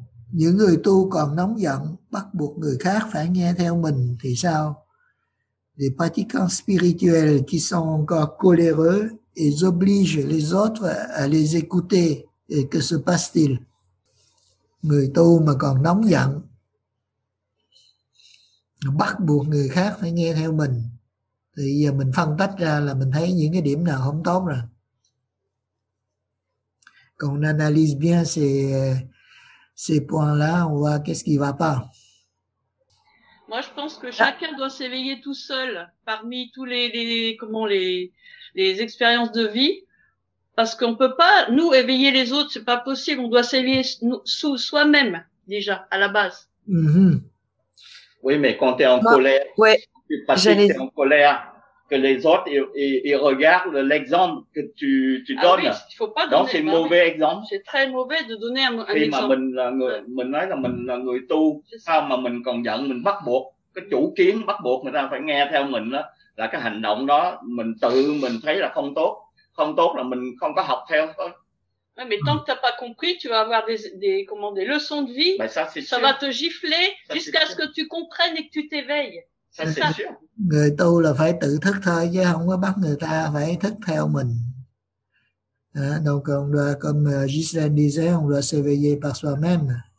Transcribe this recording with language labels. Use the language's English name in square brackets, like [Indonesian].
[Vietnamese] Những người tu còn nóng giận, bắt buộc người khác phải nghe theo mình thì sao? [French] Les pratiquants spirituels qui sont encore coléreux, ils obligent les autres à les écouter. Et que se passe-t-il? [Vietnamese] Người tu mà còn nóng giận, bắt buộc người khác phải nghe theo mình. Thì giờ mình phân tách ra là mình thấy những cái điểm nào không tốt rồi. [French] Quand on analyse bien ces points-là, on voit qu'est-ce qui ne va pas. Moi, je pense que chacun doit s'éveiller tout seul parmi tous les expériences de vie, parce qu'on ne peut pas, nous, éveiller les autres, ce n'est pas possible. On doit s'éveiller soi-même, déjà, à la base. Mm-hmm. Oui, mais quand tu es en colère, tu es en colère. Que les autres ils regardent l'exemple que tu donnes. Ah oui, faut pas donc c'est mauvais exemple. C'est très mauvais de donner un exemple. [Vietnamese] Khi mà mình là người, mình nói là mình là người tu, sao mà mình còn giận, mình bắt buộc cái chủ kiến bắt buộc người ta phải nghe theo mình đó, là cái hành động đó mình tự mình thấy là không tốt. Không tốt là mình không có học theo thôi. [French] Ouais, mais tant que t'as pas compris, tu vas avoir des leçons de vie. Ben, ça va te gifler jusqu'à ce que tu comprennes et que tu t'éveilles. [Vietnamese] Người tu là phải tự thức thôi chứ không có bắt người ta phải thức theo mình. [French] Donc on doit, comme Gisèle disait, on doit s'éveiller par soi-même.